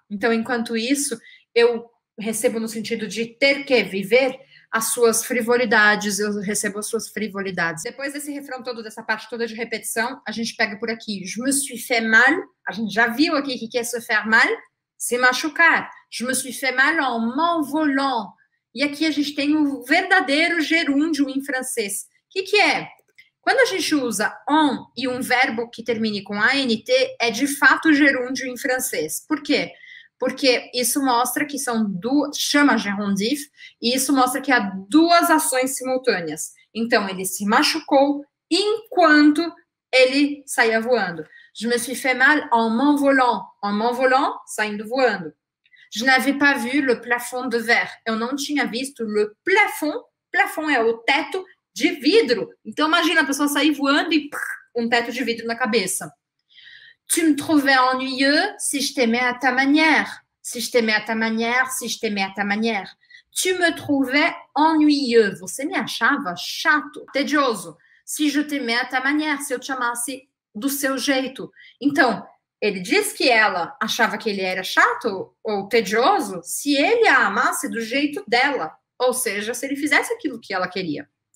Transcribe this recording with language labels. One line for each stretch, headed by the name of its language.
Portuguese: Então, enquanto isso, eu recebo no sentido de ter que viver as suas frivolidades, eu recebo as suas frivolidades. Depois desse refrão todo, dessa parte toda de repetição, a gente pega por aqui.
French: Je me suis fait mal.
Portuguese: A gente já viu aqui o que é se faire mal. Se machucar.
French: Je me suis fait mal en m'envolant.
Portuguese: E aqui a gente tem o verdadeiro gerúndio em francês. O que, que é? Quando a gente usa on e um verbo que termine com ant, é de fato gerúndio em francês. Por quê? Porque isso mostra que são duas... chama gerundif, e isso mostra que há duas ações simultâneas. Então, ele se machucou enquanto ele saía voando.
French: Je me suis fait mal en m'envolant. En m'envolant,
Portuguese: saindo voando.
French: Je n'avais pas vu le plafond de verre.
Portuguese: Eu não tinha visto
French: le plafond.
Portuguese: Plafond é o teto de vidro. Então, imagina a pessoa sair voando e prrr, um teto de vidro na cabeça.
French: Tu me trouvais ennuyeux si je t'aimais à ta manière. Si je t'aimais à ta manière, si je t'aimais à ta manière. Tu me trouvais ennuyeux.
Portuguese: Você me achava chato, tedioso.
French: Si je t'aimais à ta manière,
Portuguese: se eu te chamasse do seu jeito. Então, ele diz que ela achava que ele era chato ou tedioso se ele a amasse do jeito dela. Ou seja, se ele fizesse aquilo que ela queria.